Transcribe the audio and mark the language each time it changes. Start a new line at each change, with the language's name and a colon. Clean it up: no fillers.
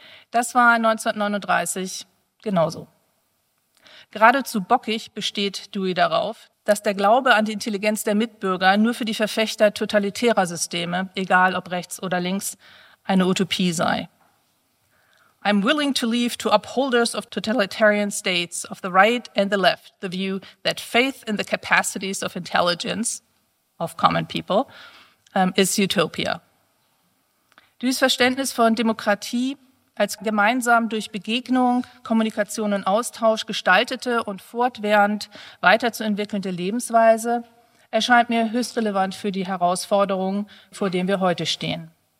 German: Das war 1939 genauso. Geradezu bockig besteht Dewey darauf, dass der Glaube an die Intelligenz der Mitbürger nur für die Verfechter totalitärer Systeme, egal ob rechts oder links, eine Utopie sei.
English: I'm willing to leave to upholders of totalitarian states of the right and the left the view that faith in the capacities of intelligence, of common people, is utopia.
German: Dewey's Verständnis von Demokratie als gemeinsam durch Begegnung, Kommunikation und Austausch gestaltete und fortwährend weiterzuentwickelnde Lebensweise erscheint mir höchst relevant für die Herausforderungen, vor denen wir heute stehen.